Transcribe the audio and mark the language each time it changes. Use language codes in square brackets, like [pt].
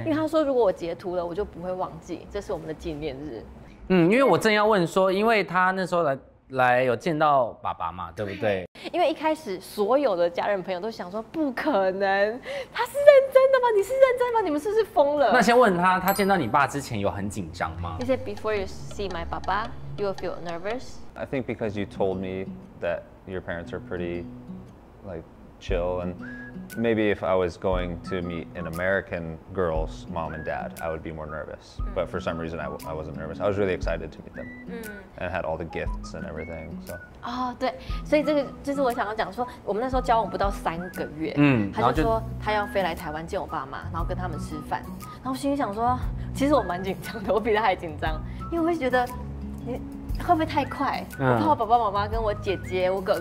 [zh] 因为他说如果我截图了，我就不会忘记，这是我们的纪念日。嗯，因为我正要问说，因为他那时候来有见到爸爸嘛，对不对？因为一开始所有的家人朋友都想说，不可能，他是认真的吗？你是认真吗？你们是不是疯了？那先问他，他见到你爸之前有很紧张吗 [en] ？He said before you see my 爸爸 ，you will feel nervous. I think because you told me that your parents are pretty like chill and. Maybe if I was going to meet an American girl's mom and dad, I would be more nervous. But for some reason, I wasn't nervous. I was really excited to meet them, and had all the gifts and everything. So. 哦， [zh] 对，所以这个就是我想要讲说，我们那时候交往不到3个月，他就说他要飞来台湾见我爸妈，然后跟他们吃饭。然后我心里想说，其实我蛮紧张的，我比他还紧张，因为我会觉得你会不会太快？我怕我爸爸妈妈跟我姐姐、我哥哥